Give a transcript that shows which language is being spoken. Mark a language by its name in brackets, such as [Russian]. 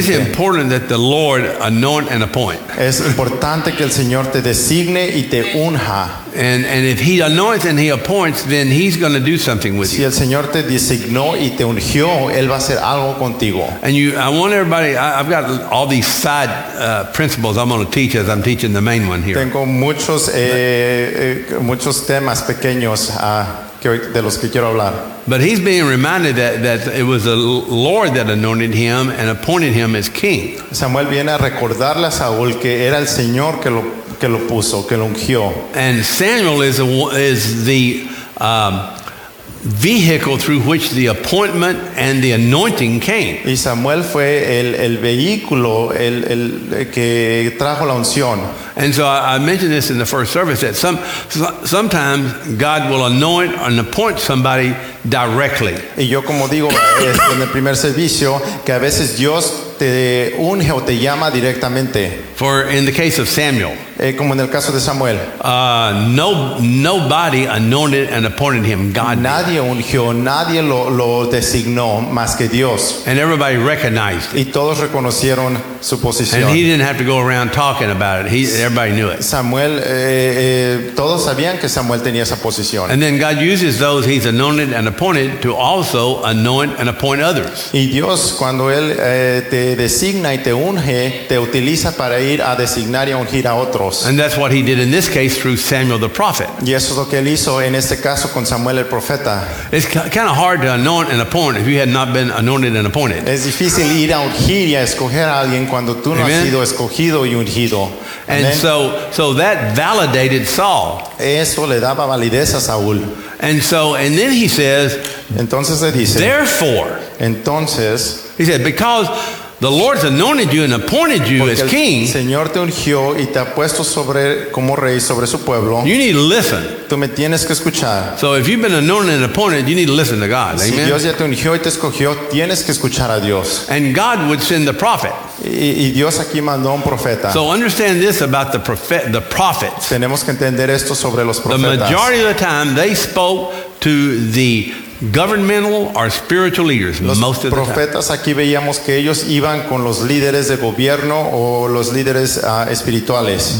[English] It's important that the Lord anoint and appoint. [Spanish] Es importante que el Señor te designe y te unja. [English] And if he anoints and he appoints, then he's going to do something with you. [Spanish] Si el Señor te designó y te ungió, él va a hacer algo contigo. [English] And you, I want everybody, I've got all these side principles I'm going to teach as I'm teaching the main one here. [Spanish] Tengo muchos, muchos temas pequeños de los que quiero hablar. [English] But he's being reminded that it was the Lord that anointed him and appointed him as king. [Spanish] Samuel viene a recordarle a Saúl que era el Señor que lo puso, que lo ungió. [English] And Samuel is the vehicle through which the appointment and the anointing came. [Spanish] Y Samuel fue el vehículo el que trajo la unción. [English] And so I mentioned this in the first service that sometimes God will anoint and appoint somebody directly. [Spanish] Y yo como digo en el primer servicio que a veces Dios te unge o te llama directamente. [English] For in the case of Samuel. [Spanish] Como en el caso de Samuel. [English] Nobody anointed and appointed him. God. [Spanish] Nadie ungió, nadie lo designó más que Dios. [English] And everybody recognized. [Spanish] Y todos reconocieron su posición. [English] And he didn't have to go around talking about it. Everybody knew it. [Spanish] Samuel, todos sabían que Samuel tenía esa posición. [English] And then God uses those he's anointed and appointed to also anoint and appoint others. [Spanish] Y Dios, cuando él te designa y te unge, te utiliza para ir a designar y a ungir a otros. [English] And that's what he did in this case through Samuel the prophet. [Spanish] Y eso es lo que él hizo en este caso con Samuel el profeta. [English] It's kind of hard to anoint and appoint if you had not been anointed and appointed. [Spanish] Es difícil ir a ungir y a escoger a alguien cuando tú no [English] Amen. [Spanish] Has sido escogido y ungido. [English] And then, so that validated Saul. [Spanish] Eso le daba validez a Saúl. [English] And so, and then he says, [Spanish] entonces le dice, [English] therefore, [Spanish] entonces, [English] he said, because the Lord's anointed you and appointed you as king, [Spanish] el Señor te ungió y te ha puesto sobre, como rey sobre su pueblo, [English] you need to listen. [Spanish] Tú me tienes que escuchar. [English] So if you've been anointed and appointed, you need to listen to God. [Spanish] Si [English] Amen. [Spanish] Dios ya te ungió y te escogió, tienes que escuchar a Dios. [English] And God would send the prophet. [Spanish] Y Dios aquí mandó un profeta. [English] So understand this about the prophets. [Spanish] Tenemos que entender esto sobre los profetas. [English] The majority of the time, they spoke to the governmental or spiritual leaders. [Spanish] Los [English] most of the [Spanish] profetas [English] time. [Spanish] Aquí veíamos que ellos iban con los líderes de gobierno o los líderes espirituales.